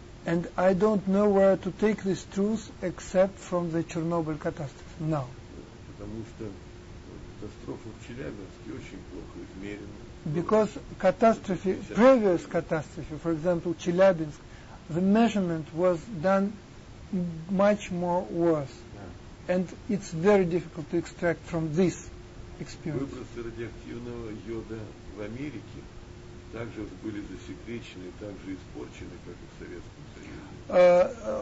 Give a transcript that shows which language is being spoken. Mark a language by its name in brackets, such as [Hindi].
[English] And I don't know where to take this truth except from the Chernobyl catastrophe now. [Russian] Потому что катастрофа в Челябинске очень плохо измерена. [English] Because catastrophe, previous catastrophe, for example, Chelyabinsk, the measurement was done much more worse. Yeah. And it's very difficult to extract from this experience. [Russian] Выбросы радиоактивного йода в Америке также были засекречены, также испорчены, как и в Советском Союзе.